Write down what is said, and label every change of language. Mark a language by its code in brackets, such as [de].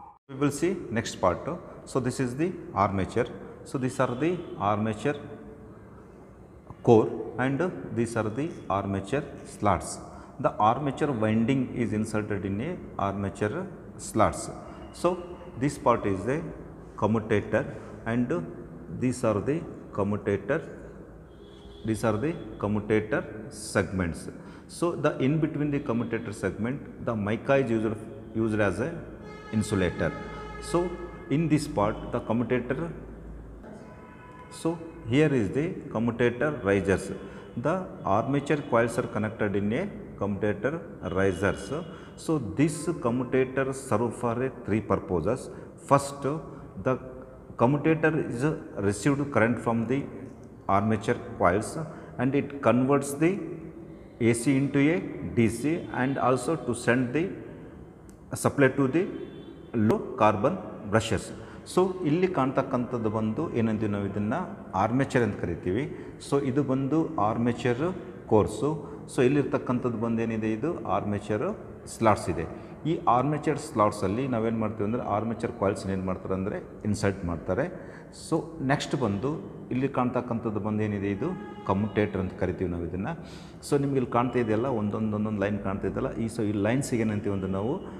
[en] We will see next part. So this is the armature. So this are the armature core and these are the armature slots. The armature winding is inserted in a armature slots. So this part is the commutator and these are the commutator, these are the commutator segments. So the in between the commutator segment the mica is used as a insulator. So in this part the commutator, so here is the commutator risers. The armature coils are connected in a commutator risers. So this commutator serve for three purposes. First, the commutator is received current from the armature coils and it converts the AC into a DC and also to send the supply to the low carbon brushes. [kn] So ಇಲ್ಲಿ ಕಾಣ್ತಕ್ಕಂಥದ್ದು ಬಂದು ಏನಂತೀವಿ ನಾವು ಇದನ್ನು armature ಅಂತ ಕರಿತೀವಿ. So ಇದು ಬಂದು armature course. So ಇಲ್ಲಿರ್ತಕ್ಕಂಥದ್ದು ಬಂದೇನಿದೆ ಇದು ಆರ್ಮೇಚರ್ ಸ್ಲಾಟ್ಸ್ ಇದೆ ಈ ಆರ್ಮೇಚರ್ ಸ್ಲಾಟ್ಸಲ್ಲಿ ನಾವೇನು ಮಾಡ್ತೀವಿ ಅಂದರೆ ಆರ್ಮೇಚರ್ ಕಾಯಿಲ್ಸ್ನ ಏನು ಮಾಡ್ತಾರೆ ಅಂದರೆ ಇನ್ಸರ್ಟ್ ಮಾಡ್ತಾರೆ ಸೊ ನೆಕ್ಸ್ಟ್ ಬಂದು ಇಲ್ಲಿ ಕಾಣ್ತಕ್ಕಂಥದ್ದು ಬಂದೇನಿದೆ ಇದು ಕಮ್ಯುಟೇಟರ್ ಅಂತ ಕರಿತೀವಿ ನಾವು ಇದನ್ನು ಸೊ ನಿಮ್ಗೆ ಇಲ್ಲಿ ಕಾಣ್ತಾ ಇದೆಯಲ್ಲ ಒಂದೊಂದು ಲೈನ್ ಕಾಣ್ತಾ ಇದೆಯಲ್ಲ ಈ ಸೊ ಈ ಲೈನ್ಸಿಗೆ ಏನಂತೀವಿ ಅಂದರೆ ನಾವು